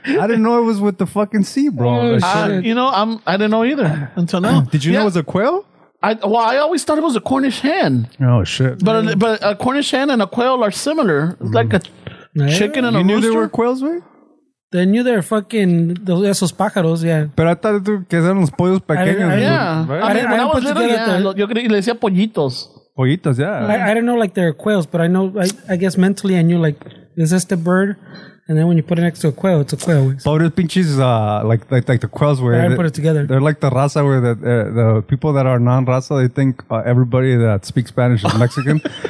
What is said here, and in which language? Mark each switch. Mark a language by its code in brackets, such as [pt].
[en] I didn't know it was with the fucking sea, bro. You know, I didn't know either until now. Did you know it was a quail? I always thought it was a Cornish hen. Oh, shit. But a Cornish hen and a quail are similar. It's like a Yeah. Chicken and you a rooster? You knew they were quails, wey? They knew they were fucking [es] esos pájaros, [en] yeah. [es] Pero [en] I thought [es] que eran los pollos pequeños. [en] Yeah, I was little, [es] yo le decía pollitos. Pollitos, yeah. [en] I don't know, like, they're quails, but I know, I guess mentally I knew, like, is this the bird? And then when you put it next to a quail, it's a quail. [es] Pobres pinches, [en] like the quails were. I didn't put it together. They're like the raza where the people that are non-raza, they think everybody that speaks Spanish is Mexican.